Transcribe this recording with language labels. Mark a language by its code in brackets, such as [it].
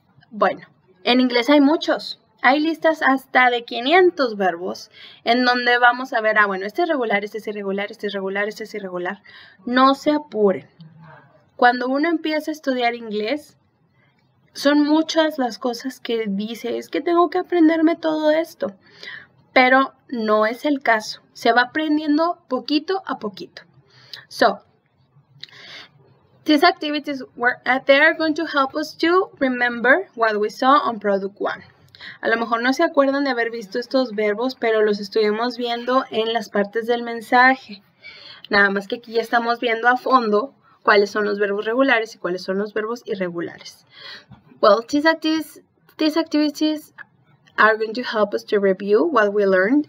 [es] Bueno, en inglés hay muchos. Hay listas hasta de 500 verbos en donde vamos a ver, ah, bueno, este es regular, este es irregular, este es regular, este es irregular. No se apuren. Cuando uno empieza a estudiar inglés, son muchas las cosas que dice, es que tengo que aprenderme todo esto, pero no es el caso. Se va aprendiendo poquito a poquito. [en] So, these activities were, they are going to help us to remember what we saw on product one. [es] A lo mejor no se acuerdan de haber visto estos verbos, pero los estuvimos viendo en las partes del mensaje. Nada más que aquí ya estamos viendo a fondo cuáles son los verbos regulares y cuáles son los verbos irregulares. [en] Well, these activities are going to help us to review what we learned.